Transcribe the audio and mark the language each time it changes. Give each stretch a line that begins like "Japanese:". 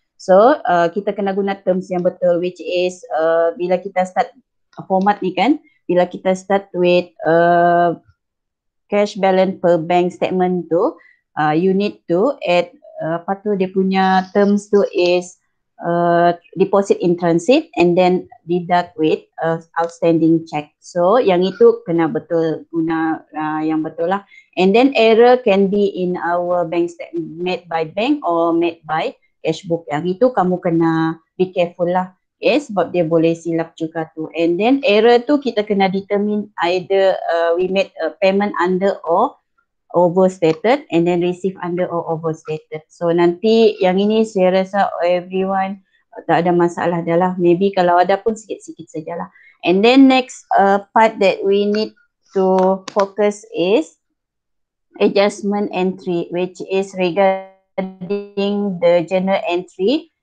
English: So,
Malay: kita kena guna
English: terms
Malay: yang betul,
English: which is
Malay: bila kita
English: start format
Malay: ni kan, bila kita
English: start with cash balance per bank statement tu, you need to add,
Malay: apa tu dia punya
English: terms tu is deposit in transit and then deduct with outstanding check.
Malay: So yang itu kena betul guna yang betul lah.
English: And then error can be in our bank statement made by bank or made by cashbook.
Malay: Yang itu kamu kena
English: be careful
Malay: lah. Okay, sebab dia boleh silap juga tu.
English: And then error
Malay: tu kita kena
English: determine either we made a payment under or overstated and then receive under or overstated.
Malay: So nanti yang ini saya rasa everyone tak ada masalah dah lah.
English: Maybe
Malay: kalau ada pun sikit-sikit sajalah.
English: And then next part that we need to focus is adjustment entry, which is regarding the general entry.